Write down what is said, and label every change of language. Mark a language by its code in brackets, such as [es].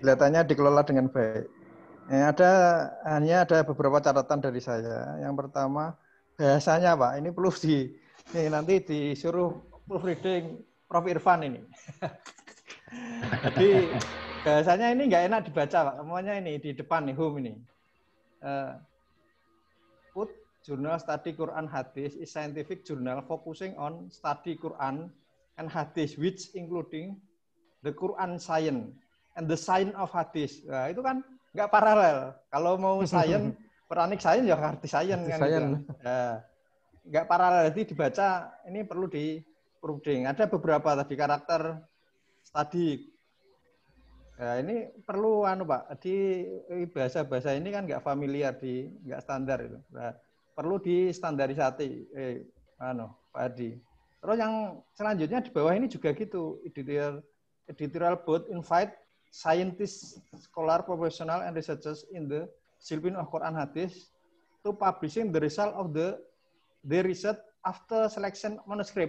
[id] Kelihatannya dikelola dengan baik. Ada hanya ada beberapa catatan dari saya. Yang pertama, bahasanya Pak, ini perlu di ini nanti disuruh proofreading Prof. Irfan ini. Jadi bahasanya ini nggak enak dibaca Pak, semuanya ini di depan nih, home ini. [en] Put Journal Study Quran Hadis is scientific journal focusing on study Quran and Hadis which including the Quran science and the science of Hadis. [id] Nah, itu kan nggak paralel. Kalau mau sayen, peranik sayen ya arti sayen. Kan, gitu. Nggak paralel, jadi dibaca ini perlu di proofreading. Ada beberapa tadi karakter study. Nah, ini perlu anu Pak, di bahasa-bahasa ini kan nggak familiar, di nggak standar. Itu. Nah, perlu di standarisasi. Pak Adi. Terus yang selanjutnya di bawah ini juga gitu. [en] Editorial board invite scientist, scholar, professional, and researchers in the discipline of Quran Hadis to publishing the result of the research after selection manuscript.